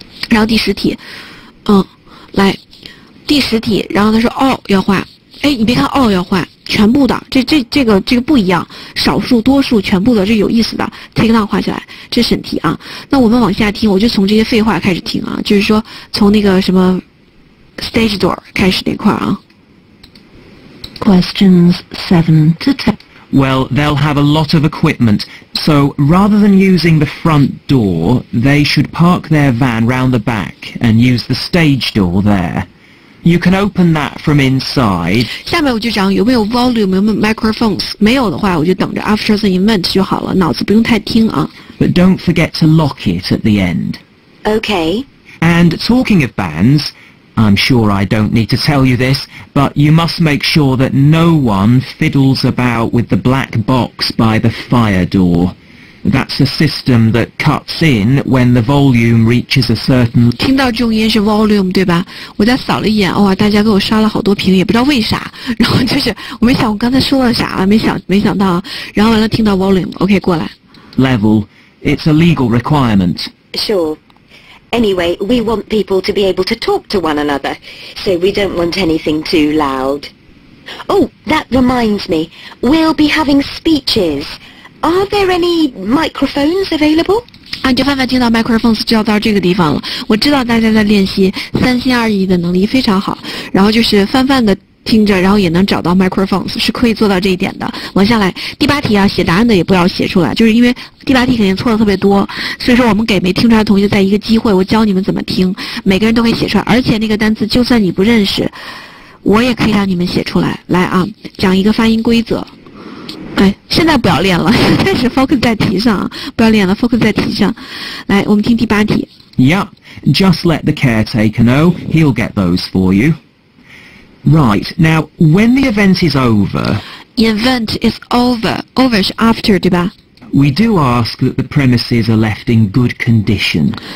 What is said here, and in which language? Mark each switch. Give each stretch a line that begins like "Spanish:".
Chinese: 然后第十题，来第十题，然后他说哦要画，哎你别看哦要画，全部的这个不一样，少数多数全部的，这有意思的
English: take down
Chinese: 画下来，这审题啊。那我们往下听，我就从这些废话开始听啊，就是说从那个什么 stage door 开始那块啊。
English: Questions 7 to 10. Well, they'll have a lot of equipment, so rather than using the front door, they should park their van round the back and use the stage door there. You can open that from inside.
Chinese: 下面我就讲有没有 volume, 有没有 microphones, 没有的话我就等着
English: after the event
Chinese: 就好了，脑子不用太听啊。
English: But don't forget to lock it at the end. Okay. And talking of vans... I'm sure I don't need to tell you this, but you must make sure that no one fiddles about with the black box by the fire door. That's a system that cuts in when the volume reaches a certain...
Chinese: 听到重音是 volume, 对吧？我再扫了一眼，哇，大家给我刷了好多屏，也不知道为啥。然后就是，我没想我刚才说了啥，没想到。然后完了听到 volume, OK, 过来。
English: Level, it's a legal requirement. Sure. Anyway, we want people to be able to talk to one another, so we don't want anything too loud. Oh, that reminds me, we'll be having speeches. Are there any microphones available?
Chinese: 啊，你就翻翻听到 microphones 就要到这个地方了。我知道大家在练习三心二意的能力非常好，然后就是翻翻的听着，然后也能找到 microphones, 是可以做到这一点的。往下来，第八题啊，写答案的也不要写出来，就是因为第八题肯定错的特别多，所以说我们给没听出来的同学再一个机会，我教你们怎么听，每个人都可以写出来，而且那个单词就算你不认识，我也可以让你们写出来。来啊，讲一个发音规则。哎，现在不要练了，现在是 focus 在题上啊，不要练了 ，focus 在题上。来，我们听第八题。
English: Yeah, just let the caretaker know, he'll get those for you. Right, now, when the event is over... Event is over. Over is after,
Chinese: 对吧?
English: We do ask that the premises are left in good condition.